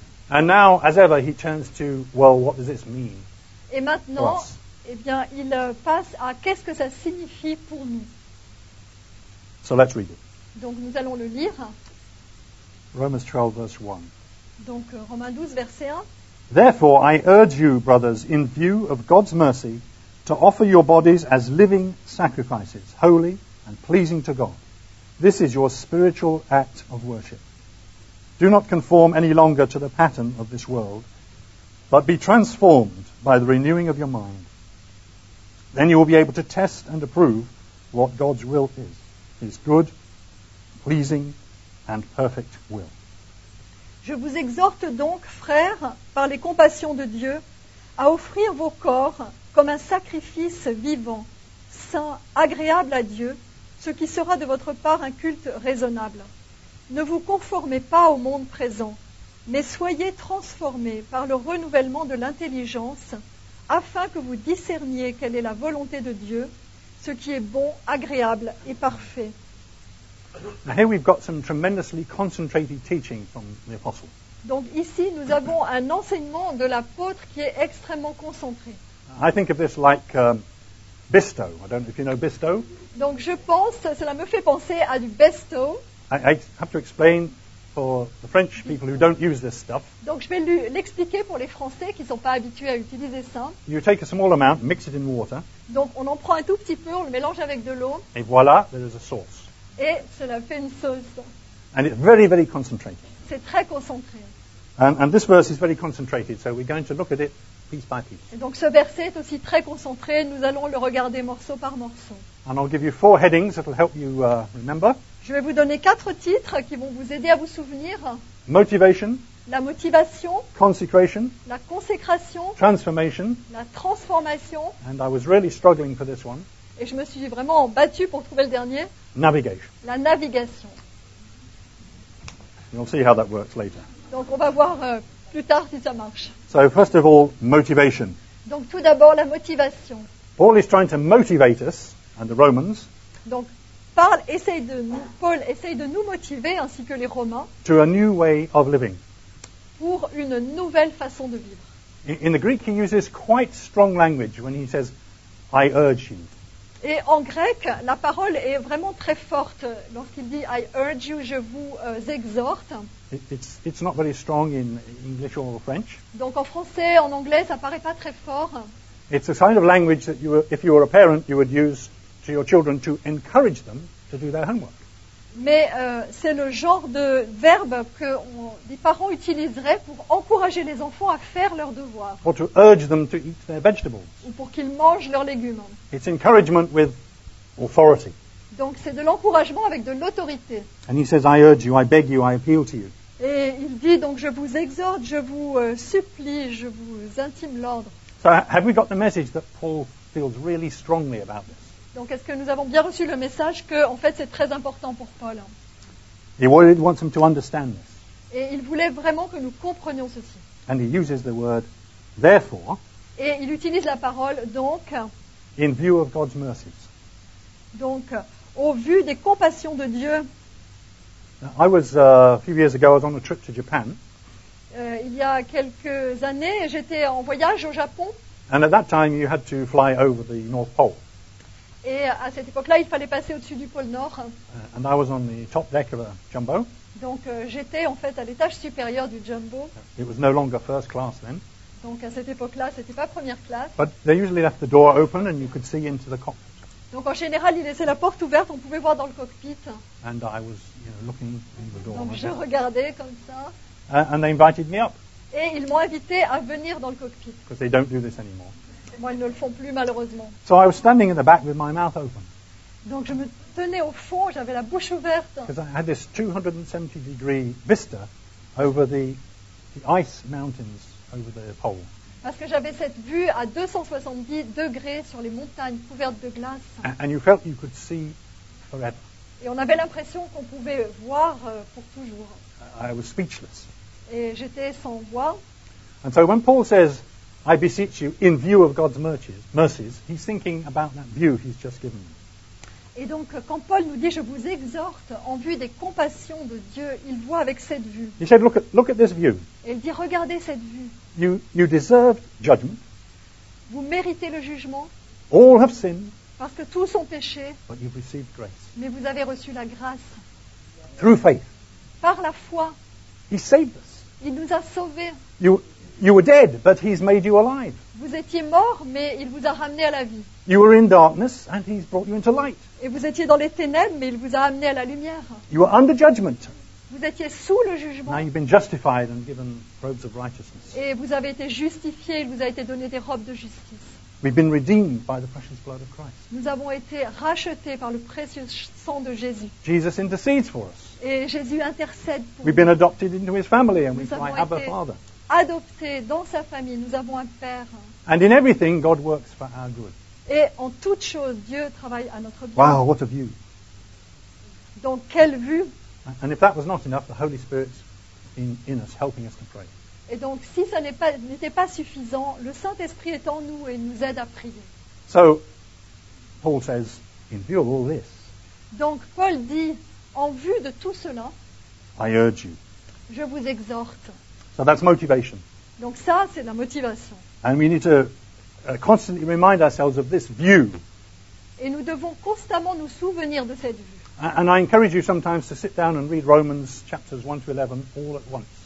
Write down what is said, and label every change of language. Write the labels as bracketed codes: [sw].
[en] And now, as ever, he turns to, well, what does this mean? [fr] Et maintenant, eh bien, il passe à qu'est-ce que ça signifie pour nous. [en] So let's read it. [fr] Donc nous allons le lire. [en] Romans 12, verse 1. [fr] Donc Romains 12, verset 1. [en] Therefore, I urge you, brothers, in view of God's mercy, to offer your bodies as living sacrifices, holy and pleasing to God. This is your spiritual act of worship. Do not conform any longer to the pattern of this world, but be transformed by the renewing of your mind. Then you will be able to test and approve what God's will is, his good, pleasing, and perfect will. [fr] Je vous exhorte donc, frères, par les compassions de Dieu, à offrir vos corps comme un sacrifice vivant, saint, agréable à Dieu, ce qui sera de votre part un culte raisonnable. Ne vous conformez pas au monde présent, mais soyez transformés par le renouvellement de l'intelligence, afin que vous discerniez quelle est la volonté de Dieu, ce qui est bon, agréable et parfait. [en] Now here we've got some tremendously concentrated teaching from the apostle. [fr] Donc ici nous avons un enseignement de l'apôtre qui est extrêmement concentré. [en] I think of this like Bistow. I don't know if you know Bistow. [fr] Donc je pense, cela me fait penser à du Bistow. [en] I have to explain for the French people who don't use this stuff. [fr] Donc je vais l'expliquer pour les Français qui ne sont pas habitués à utiliser ça. [en] You take a small amount, mix it in water. [fr] Donc on en prend un tout petit peu, on le mélange avec de l'eau. Et voilà, [en] there is a sauce. [fr] Et cela fait une sauce. [en] And it's very, very concentrated. [fr] C'est très concentré. [en] And this verse is very concentrated, so we're going to look at it piece by piece. [fr] Et donc ce verset est aussi très concentré, nous allons le regarder morceau par morceau. [en] And I'll give you four headings that will help you remember. [fr] Je vais vous donner quatre titres qui vont vous aider à vous souvenir. [en] Motivation. [fr] La motivation. [en] Consecration. [fr] La consécration. [en] Transformation. [fr] La transformation. [en] And I was really struggling for this one. [fr] Et je me suis vraiment battu pour trouver le dernier. [en] Navigation. [fr] La navigation. [en] You'll see how that works later. [fr] Donc on va voir plus tard si ça marche. [en] So first of all, motivation. [fr] Donc tout d'abord la motivation. [en] Paul is trying to motivate us and the Romans. [fr] Donc Paul essaye de nous motiver ainsi que les Romains. [en] To a new way of living. [fr] Pour une nouvelle façon de vivre. [en] In the Greek, he uses quite strong language when he says, "I urge you." [fr] Et en grec, la parole est vraiment très forte lorsqu'il dit [en] I urge you, [fr] je vous exhorte. [en] It's not very strong in English or French. [fr] Donc en français, en anglais, ça paraît pas très fort. [en] It's a kind of language that if you were a parent, you would use to your children to encourage them to do their homework. [fr] Mais c'est le genre de verbe que les parents utiliseraient pour encourager les enfants à faire leurs devoirs. [en] Or to urge them to eat their vegetables. [fr] Ou pour qu'ils mangent leurs légumes. [en] It's encouragement with authority. [fr] Donc c'est de l'encouragement avec de l'autorité. [en] And he says, I urge you, I beg you, I appeal to you. [fr] Et il dit donc, je vous exhorte, je vous supplie, je vous intime l'ordre. [en] So have we got the message that Paul feels really strongly about this? [fr] Donc, est-ce que nous avons bien reçu le message que, en fait, c'est très important pour Paul? [en] He really wants them to understand this. [fr] Et il voulait vraiment que nous comprenions ceci. [en] And he uses the word therefore. [fr] Et il utilise la parole donc. [en] In view of God's mercies. [fr] Donc, au vu des compassions de Dieu. [en] I was a few years ago. I was on a trip to Japan. [fr] Il y a quelques années, j'étais en voyage au Japon. [en] And at that time, you had to fly over the North Pole. [fr] Et à cette époque-là, il fallait passer au-dessus du pôle Nord. [en] And I was on the top deck of a jumbo. [fr] Donc j'étais en fait à l'étage supérieur du jumbo. [en] It was no longer first class then. [fr] Donc à cette époque-là, ce n'était pas première classe. [en] But they usually left the door open and you could see into the cockpit. [fr] Donc en général, ils laissaient la porte ouverte, on pouvait voir dans le cockpit. [en] And I was, you know, looking in the door. [fr] Donc je regardais comme ça. [en] And they invited me up. [fr] Et ils m'ont invité à venir dans le cockpit. [en] Because they don't do this anymore. [fr] Moi, ils ne le font plus, malheureusement. [en] So I was standing in the back with my mouth open. [fr] Donc je me tenais au fond, j'avais la bouche ouverte. [en] Because I had this 270 degree vista over the ice mountains over the pole. [fr] Parce que j'avais cette vue à 270 degrés sur les montagnes couvertes de glace. [en] And you felt you could see forever. [fr] Et on avait l'impression qu'on pouvait voir pour toujours. [en] I was speechless. [fr] Et j'étais sans voix. [en] And so when Paul says, I beseech you, in view of God's mercies, he's thinking about that view he's just given them. [fr] Et donc, quand Paul nous dit, je vous exhorte, en vue des compassions de Dieu, il voit avec cette vue. [en] He said, look at this view. [fr] Et il dit, regardez cette vue. [en] You deserve judgment. [fr] Vous méritez le jugement. [en] All have sinned. [fr] Parce que tous ont péché. [en] But you've received grace. [fr] Mais vous avez reçu la grâce. [en] Through faith. [fr] Par la foi. [en] He saved us. [fr] Il nous a sauvés. [en] You were dead, but he's made you alive. [fr] Vous étiez mort, mais il vous a ramené à la vie. [en] You were in darkness, and he's brought you into light. [fr] Et vous étiez dans les ténèbres, mais il vous a amené à la lumière. [en] You were under judgment. [fr] Vous étiez sous le jugement. [en] Now you've been justified and given robes of righteousness. [fr] Et vous avez été justifié, il vous a été donné des robes de justice. [en] We've been redeemed by the precious blood of Christ. [fr] Nous avons été rachetés par le précieux sang de Jésus. [en] Jesus intercedes for us. [fr] Et Jésus intercède pour nous. [en] We've been adopted into his family and we cry, Abba, Father. [fr] Adoptés dans sa famille, nous avons un père. [en] And in everything, God works for our good. [fr] Et en toute chose, Dieu travaille à notre bien. [en] Wow, what a view. [fr] Donc, quelle vue. [en] And if that was not enough, the Holy Spirit's in us, helping us to pray. [fr] Et donc, si ça n'était pas suffisant, le Saint-Esprit est en nous et nous aide à prier. [en] So, Paul says, in view of all this, [fr] donc, Paul dit, en vue de tout cela, [en] I urge you. [fr] Je vous exhorte. [en] So that's motivation. [fr] Donc ça, c'est la motivation. [en] And we need to constantly remind ourselves of this view. [fr] Et nous devons constamment nous souvenir de cette vue. [en] And I encourage you sometimes to sit down and read Romans chapters 1 to 11 all at once.